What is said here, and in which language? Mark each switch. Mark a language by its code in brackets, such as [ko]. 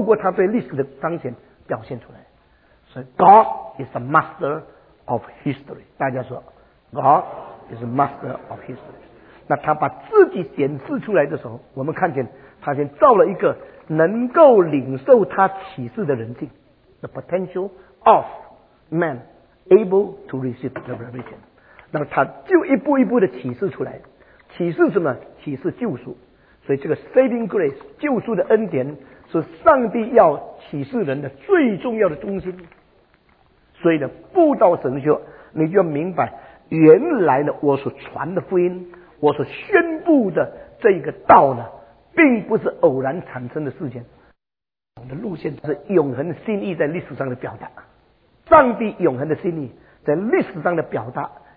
[zh] 所以人类历史中间有这一条线，这一条线你真正明白，你就明白上帝的心意，因为上帝永恒的心意是透过他对历史的彰显表现出来。 [en] So God is the master of history. [zh] 大家说 [en] God is the master of history. [zh] 那他把自己显示出来的时候，我们看见他先造了一个能够领受他启示的人性， [en] the potential of man able to receive the revelation. [zh] 那么他就一步一步的启示出来，启示什么？启示救赎。所以这个 saving grace 救赎的恩典是上帝要启示人的最重要的中心。所以呢，布道神学你就要明白，原来呢我所传的福音，我所宣布的这个道呢，并不是偶然产生的事件。我的路线是永恒心意在历史上的表达，上帝永恒的心意在历史上的表达。